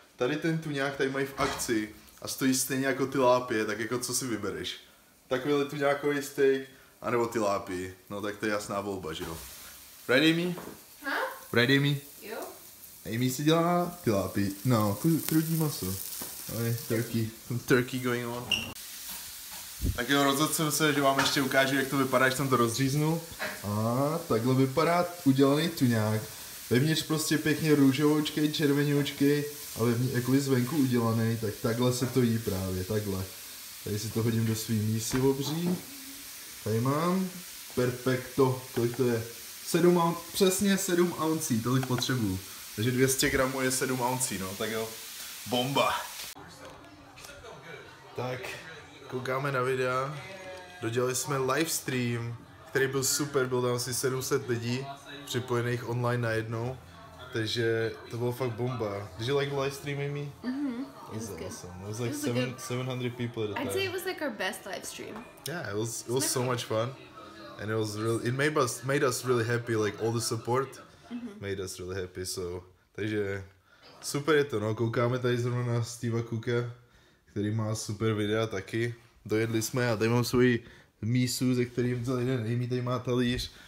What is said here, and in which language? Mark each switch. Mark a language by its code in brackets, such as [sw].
[cs] Tady ten tu nějak tady mají v akci a stojí stejně jako tilápie, tak jako co si vybereš. Takovýhle tu nějakovej steak, anebo tilápie, no tak to je jasná volba, že jo. [en] Ready me? Huh? Ready me? [cs] Jo. Amy si dělá tilápie, no, krudí maso. [en] Ale turkey, some turkey going on. [cs] Tak jo, rozhodl jsem se, že vám ještě ukážu, jak to vypadá, až jsem to rozříznul. A takhle vypadá udělaný tuňák. Vevnitř prostě pěkně růžovoučkej, červeňoučkej a jakoby zvenku udělaný, tak takhle se to jí právě, takhle. Tady si to hodím do svý mísy obří. Tady mám. Perfekto. Kolik to je? 7 ounce, přesně 7 ouncí, tolik potřebuju. Takže 200 gramů je 7 ouncí, no, tak jo. Bomba. Tak. Koukáme na videa, dodělali jsme live stream, který byl super, byl tam asi 700 lidí připojených online najednou, takže to bylo fakt bomba. [en] Did you like the live stream, Amy? Mm-hmm. It was awesome. It was like 700 people at the time. I'd say it was like our best live stream. Yeah, it was so much fun, and it was really, it made us really happy, like all the support made us really happy, so, [cs] takže super je to, no, koukáme tady zrovna na Steve'a Cooka, který má super videa taky. Dojedli jsme a tady mám svoji mísu, ze kterým vzal jeden Amy, tady má talíř.